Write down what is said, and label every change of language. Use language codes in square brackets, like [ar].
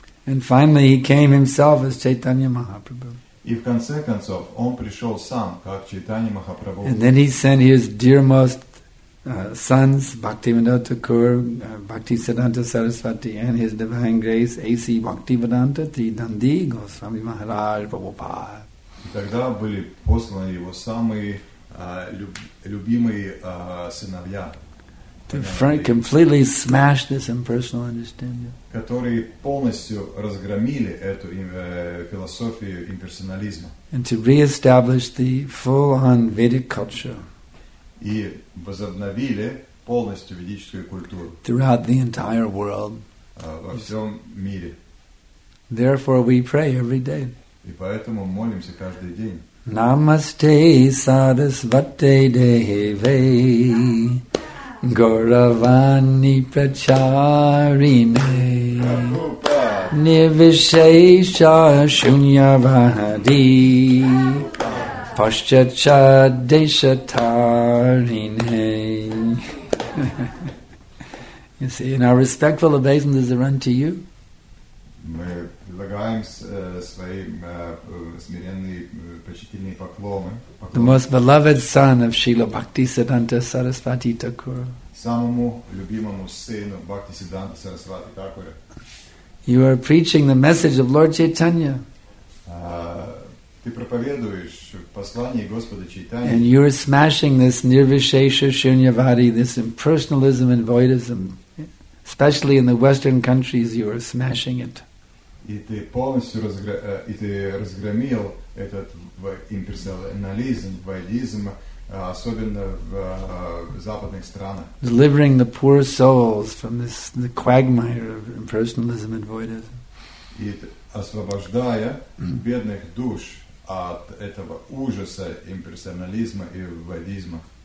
[en] And finally he came himself as Chaitanya Mahaprabhu. [ru] И в конце концов он пришел сам, как Чайтанья Махапрабху. [en] And then he sent his dearmost sons, Bhaktivinoda Thakur, Bhaktisiddhanta Saraswati, and His Divine Grace, A.C. Bhaktivedanta Tridandi Goswami Maharaj Prabhupada. [ru] Тогда были посланы его самые любимые сыновья. [en] To completely smash this impersonal understanding. [ru] Которые полностью разгромили эту философию имперсонализма. [en] And to re-establish the full-on Vedic culture. [ru] И возобновили полностью ведическую культуру. [en] Throughout the entire world. [ru] Во всем мире. [en] Therefore we pray every day. [ru] И поэтому молимся каждый день. [sa] Намасте Сарасвате Деве Гуравани Прачарине Нивишеша Шуньявади Paschachadeshatarine. [en] You see, in our respectful obeisances, they run to you. [ru] Мы предлагаем свои смиренные почтительные поклоны. [en] The most beloved son of Srila Bhaktisiddhanta Saraswati Thakur. [ru] Самому любимому сыну Бхактисиддханта Сарасвати Такура. [en] You are preaching the message of Lord Chaitanya. [ru] Ты проповедуешь послание Господа Чайтаньи. [en] And you're smashing this nirvishesha shunyavadi, this impersonalism and voidism, especially in the Western countries, you are smashing it. [ru] И ты полностью разгромил этот имперсонализм, воидизм, особенно в западных странах. [en] Delivering the poor souls from this the quagmire of impersonalism and voidism. [ru] И освобождая бедных душ от этого ужаса имперсонализма и вайдизма.